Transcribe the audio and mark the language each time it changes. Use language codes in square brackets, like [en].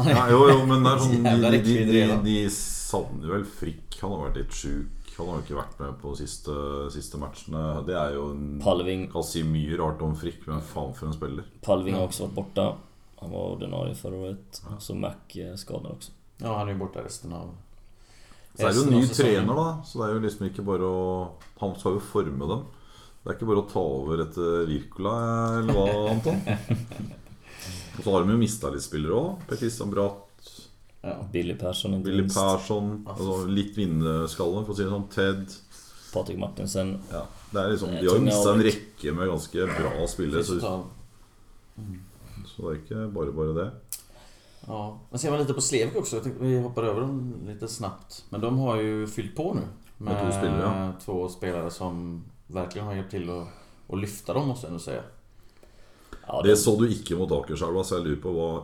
[sv] Jo, men där de sann väl Frick, han har varit lite sjuk. Han har inte varit med på sista matcherna. Det är ju en Palving. Kanske mye rart om Frick, men fan för en spelare. Palving har också varit borta. Han var ordinarie förra året, så Mac skadad också. Ja, han är ju borta resten av. [no] Så det er jo en ny trener da, så det er jo liksom ikke bare å, han skal jo forme dem. Det er ikke bare å ta over etter Virkola, eller hva, Anton? Og så har de jo mistet litt spillere også, Per-Christian Bratt, Billy Persson, altså litt vinneskallen, for å si det sånn, Ted, Patrick Martinsen. Ja, det er liksom, de har jo mistet en rekke med ganske bra spillere, så det er ikke bare det. [sv] Ja, men ser man lite på Slevik också. Jag tänkte vi hoppar över dem lite snabbt, men de har ju fyllt på nu med två spelare som verkligen har hjälpt till att lyfta dem, måste jag ändå säga. Ja, det så du inte mot Akerselva, så jag lurer på vad.